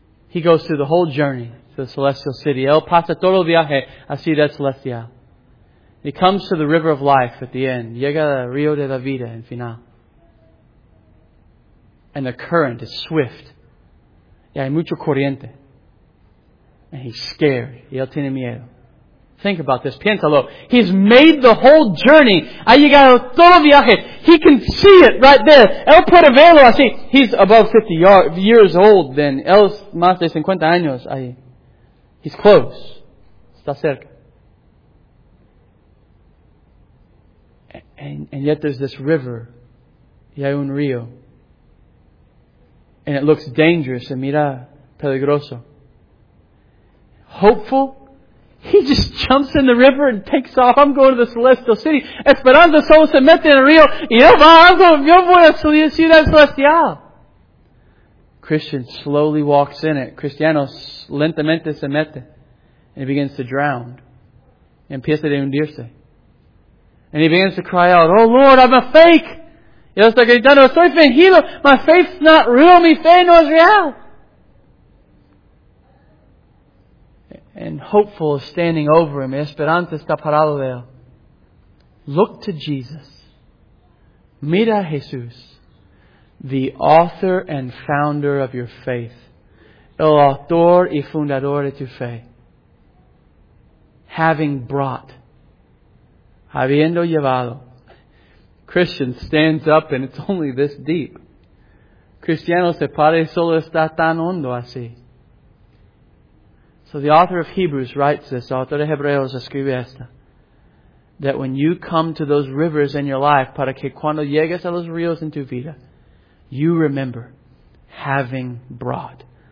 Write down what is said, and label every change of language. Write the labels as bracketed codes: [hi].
[en] He goes through the whole journey to the celestial city. [es] Él pasa todo el viaje a ciudad celestial. [en] He comes to the river of life at the end. [es] Llega al río de la vida en final. [en] And the current is swift. [es] Y hay mucho corriente. [en] And he's scared. [es] Y él tiene miedo. [en] Think about this. [es] Piénsalo. [en] He's made the whole journey. [es] Ha llegado todo el viaje. [en] He can see it right there. [es] Él puede verlo así. [en] He's above 50 years old then. [es] Él es más de 50 años ahí. [en] He's close. [es] Está cerca. [en] And yet there's this river. [es] Y hay un río. [en] And it looks dangerous. And [es] mira, peligroso. [en] Hopeful. He just jumps in the river and takes off. I'm going to the celestial city. [es] Esperanza solo se mete en el río. Y él va, yo voy a la ciudad celestial. [en] Christian slowly walks in it. [es] Cristiano lentamente se mete. [en] And he begins to drown. [es] Y empieza a hundirse. [en] And he begins to cry out, oh Lord, I'm a fake. [es] Yo estoy gritando, estoy fingido. [en] My faith's not real. [es] Mi fe no es real. [en] And hopeful is standing over him. [es] Esperanza está parado de él. [en] Look to Jesus. [es] Mira a Jesús. [en] The author and founder of your faith. [es] El autor y fundador de tu fe. [en] Having brought. [es] Habiendo llevado. [en] Christian stands up and it's only this deep. [es] Cristiano se para y solo está tan hondo así. [en] So the author of Hebrews writes this, [es] autor de Hebreos escribe esta, [en] that when you come to those rivers in your life, [es] para que cuando llegues a los ríos en tu vida, [en] you remember having brought.